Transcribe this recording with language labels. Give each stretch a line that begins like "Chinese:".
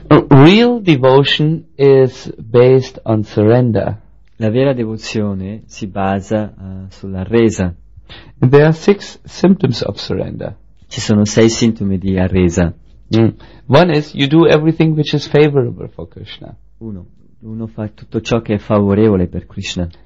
English: Real devotion is based on surrender.
Italian: La vera devozione si basa sulla resa.
English: And there are six symptoms of surrender.
Italian: Ci sono sei sintomi di arresa.
English: One is you do everything which is favorable for Krishna.
Italian: Uno fa tutto ciò che è favorevole per Krishna.